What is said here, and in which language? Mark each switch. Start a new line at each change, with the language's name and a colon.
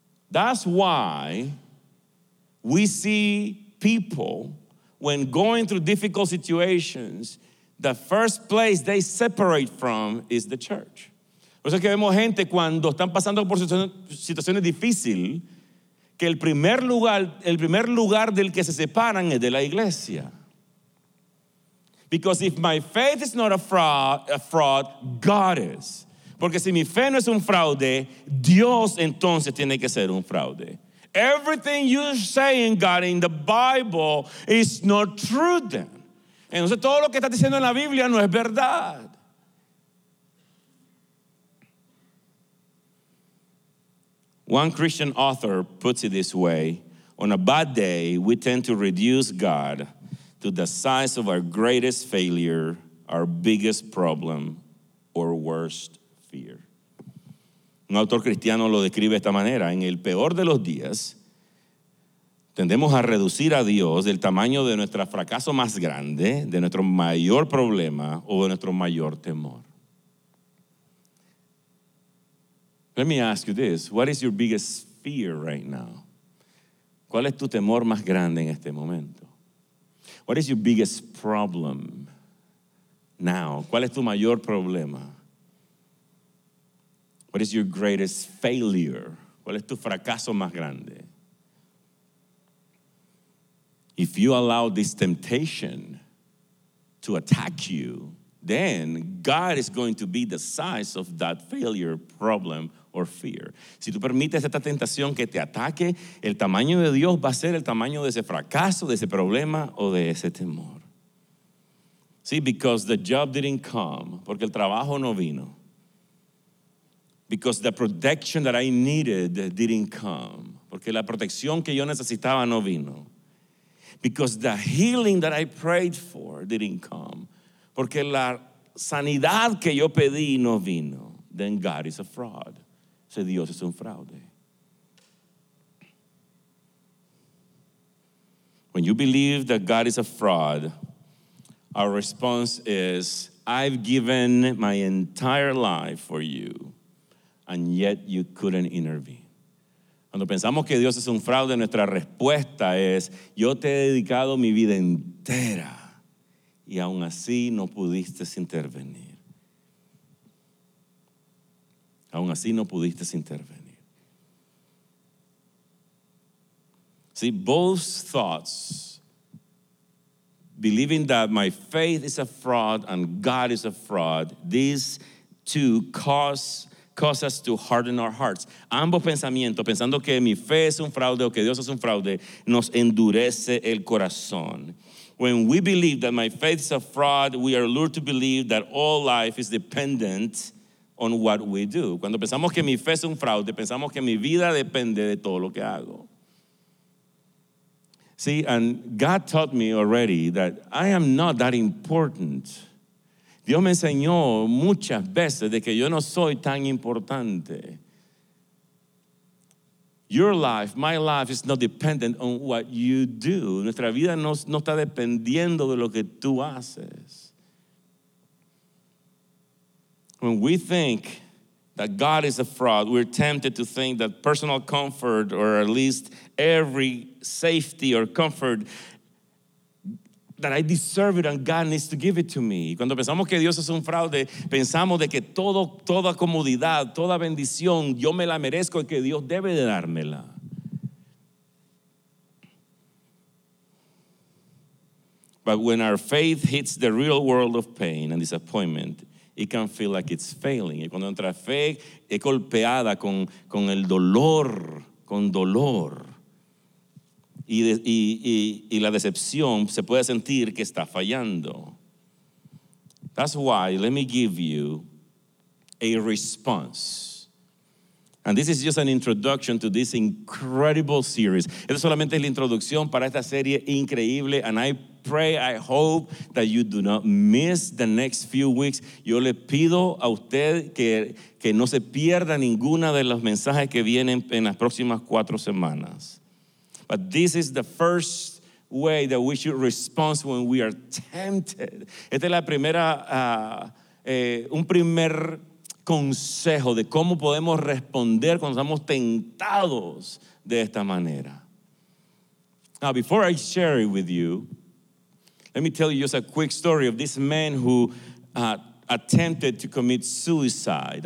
English: That's why we see people, when going through difficult situations, the first place they separate from is the church.
Spanish: Por eso es que vemos gente cuando están pasando por situaciones difíciles, que el primer lugar del que se separan es de la iglesia.
English: Because if my faith is not a fraud, God is.
Spanish: Porque si mi fe no es un fraude, Dios entonces tiene que ser un fraude.
English: Everything you're saying, God, in the Bible is not true then.
Spanish: Entonces todo lo que estás diciendo en la Biblia no es verdad.
English: One Christian author puts it this way: on a bad day, we tend to reduce God to the size of our greatest failure, our biggest problem, or worst fear.
Spanish: Un autor cristiano lo describe de esta manera: en el peor de los días, tendemos a reducir a Dios del tamaño de nuestro fracaso más grande, de nuestro mayor problema o de nuestro mayor temor.
English: Let me ask you this: what is your biggest fear right now?
Spanish: ¿Cuál es tu temor más grande en este momento?
English: What is your biggest problem now?
Spanish: ¿Cuál es tu mayor problema?
English: What is your greatest failure?
Spanish: ¿Cuál es tu fracaso más grande?
English: If you allow this temptation to attack you, then God is going to be the size of that failure, problem, or fear.
Spanish: Si tú permites esta tentación que te ataque, el tamaño de Dios va a ser el tamaño de ese fracaso, de ese problema, o de ese temor.
English: See, because the job didn't come,
Spanish: porque el trabajo no vino.
English: Because the protection that I needed didn't come,
Spanish: porque la protección que yo necesitaba no vino.
English: Because the healing that I prayed for didn't come,
Spanish: porque la sanidad que yo pedí no vino.
English: Then God is a fraud.
Spanish: Si Dios es un fraude.
English: When you believe that God is a fraud, our response is, I've given my entire life for you, and yet you couldn't intervene.
Spanish: Cuando pensamos que Dios es un fraude, nuestra respuesta es, yo te he dedicado mi vida entera y aún así no pudiste intervenir. Aún así no pudiste intervenir.
English: See, both thoughts, believing that my faith is a fraud and God is a fraud, these two cause us to harden our hearts.
Spanish: Ambos pensamientos, pensando que mi fe es un fraude o que Dios es un fraude, nos endurece el corazón.
English: When we believe that my faith is a fraud, we are lured to believe that all life is dependent on what we do.
Spanish: Cuando pensamos que mi fe es un fraude, pensamos que mi vida depende de todo lo que hago.
English: See, and God taught me already that I am not that important.
Spanish: Dios me enseñó muchas veces de que yo no soy tan importante.
English: Your life, my life is not dependent on what you do.
Spanish: Nuestra vida no está dependiendo de lo que tú haces.
English: When we think that God is a fraud, we're tempted to think that personal comfort, or at least every safety or comfort that I deserve it and God needs to give it to me.
Spanish: Cuando pensamos que Dios es un fraude, pensamos de que toda comodidad, toda bendición, yo me la merezco y que Dios debe de dármela.
English: But when our faith hits the real world of pain and disappointment, it can feel like it's failing.
Spanish: Y cuando nuestra fe es golpeada con el dolor, con dolor, y la decepción, se puede sentir que está fallando.
English: That's why, let me give you a response. And this is just an introduction to this incredible series.
Spanish: Esta solamente es la introducción para esta serie increíble.
English: And I pray, I hope that you do not miss the next few weeks.
Spanish: Yo le pido a usted que no se pierda ninguna de los mensajes que vienen en las próximas 4 semanas.
English: But this is the first way that we should respond when we are tempted.
Spanish: Esta es la primera, un primer consejo de cómo podemos responder cuando estamos tentados de esta manera.
English: Now, before I share it with you, let me tell you just a quick story of this man who attempted to commit suicide.